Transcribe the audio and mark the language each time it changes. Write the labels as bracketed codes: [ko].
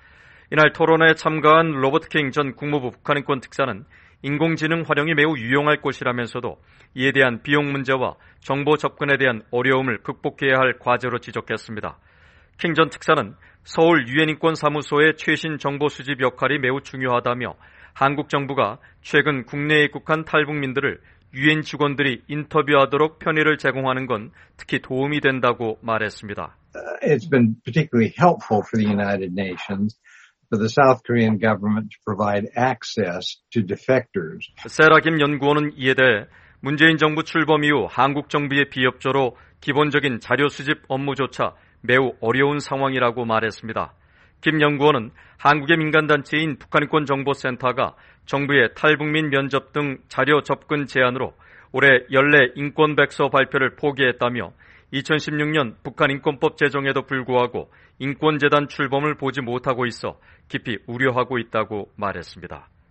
[ko] 이날 토론회에 참가한 로버트 킹 전 국무부 북한인권 특사는 인공지능 활용이 매우 유용할 것이라면서도 이에 대한 비용 문제와 정보 접근에 대한 어려움을 극복해야 할 과제로 지적했습니다. 킹 전 특사는 서울 유엔인권사무소의 최신 정보 수집 역할이 매우 중요하다며 한국 정부가 최근 국내에 입국한 탈북민들을 유엔 직원들이 인터뷰하도록 편의를 제공하는 건 특히 도움이 된다고 말했습니다. [en] It's been particularly helpful for the United Nations for the South Korean government to provide access to defectors. [ko] 세라 김 연구원은 이에 대해 문재인 정부 출범 이후 한국 정부의 비협조로 기본적인 자료 수집 업무조차 매우 어려운 상황이라고 말했습니다. 김 연구원은 한국의 민간단체인 북한인권정보센터가 정부의 탈북민 면접 등 자료 접근 제한으로 올해 연례 인권백서 발표를 포기했다며 2016년 북한인권법 제정에도 불구하고 인권재단 출범을 보지 못하고 있어 깊이 우려하고 있다고 말했습니다.